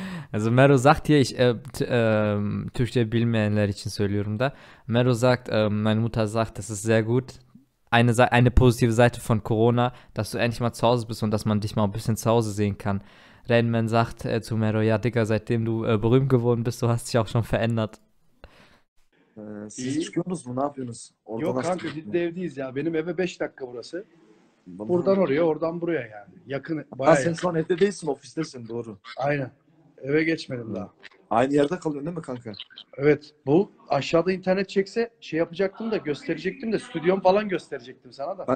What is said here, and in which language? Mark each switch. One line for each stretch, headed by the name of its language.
German: Also Meadow sagt hier, ich
Turkish: Türkçe bilmeyenler için söylüyorum da.
German: Meadow sagt, meine Mutter sagt, das ist sehr gut. Eine positive Seite von Corona, dass du endlich mal zu Hause bist und dass man dich mal ein bisschen zu Hause sehen kann. Rain Man sagt zu Meadow, ja Digga, seitdem du berühmt geworden bist, du hast dich auch schon verändert.
Turkish: Siz çıkıyorsunuz mu? Ne yapıyorsunuz? Orada yok kanka biz de evdeyiz ya. Benim eve 5 dakika burası. Bana buradan mı? Oraya, oradan buraya yani. Yakın, bayağı yakın. Sen şu an evde değilsin, ofistesin doğru. Aynen. Eve geçmedim daha. Aynı yerde kalıyorsun değil mi kanka? Evet. Bu aşağıda internet çekse şey yapacaktım da gösterecektim de stüdyom falan gösterecektim sana da.